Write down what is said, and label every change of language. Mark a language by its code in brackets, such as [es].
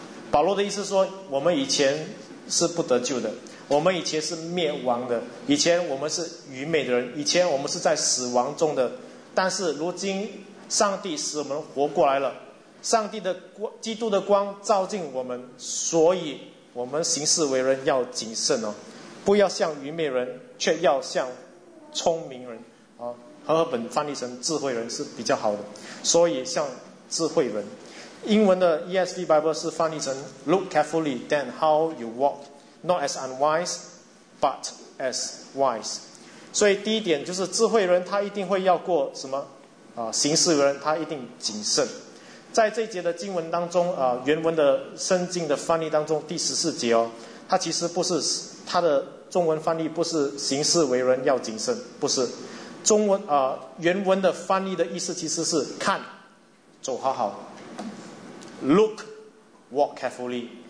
[zh] 保罗的意思说，我们以前是不得救的，我们以前是灭亡的，以前我们是愚昧的人，以前我们是在死亡中的，但是如今上帝使我们活过来了，上帝的光，基督的光照进我们，所以我们行事为人要谨慎哦，不要像愚昧人，却要像聪明人啊。和合本翻译成智慧人是比较好的，所以像智慧人。英文的 [en] ESV Bible [zh] 是翻译成 [en] Look carefully then how you walk, not as unwise, but as wise。 [zh] 所以第一点就是智慧人他一定会要过什么、行事人他一定谨慎。在这一节的经文当中、原文的圣经的翻译当中第十四节哦，他其实不是，他的中文翻译不是行事为人要谨慎，不是中文、原文的翻译的意思其实是看走好好， [en] Look walk carefully。